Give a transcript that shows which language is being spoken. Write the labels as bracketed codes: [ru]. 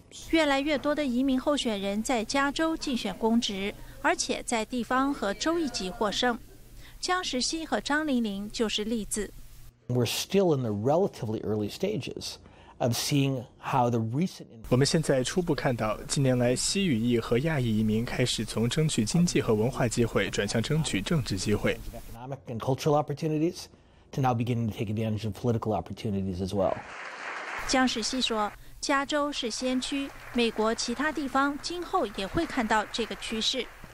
[zh] 越来越多的移民候选人在加州竞选公职，而且在地方和州一级获胜。姜时熙和张玲玲就是例子。 [en] We're still in the relatively early stages of seeing how the recent. [zh] 我们现在初步看到，近年来西语裔和亚裔移民开始从争取经济和文化机会转向争取政治机会。 [en] Economic and cultural opportunities to now beginning to take advantage of political opportunities as well. [zh] 姜时熙说，加州是先驱，美国其他地方今后也会看到这个趋势。